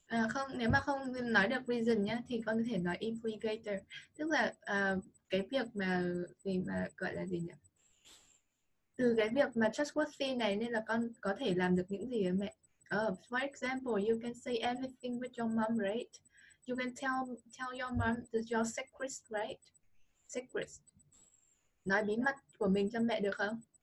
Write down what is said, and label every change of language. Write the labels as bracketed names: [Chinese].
[Vietnamese] Không, nếu mà không nói được reason nhá, thì con có thể nói implicator. Tức là cái việc mà gì mà gọi là gì nhỉ? Từ cái việc mà trustworthy này nên là con có thể làm được những gì với mẹ. [English] For example, you can say everything with your mom, right? You can tell your mom your secrets, right? Secrets. [Vietnamese] Nói bí mật của mình cho mẹ được không?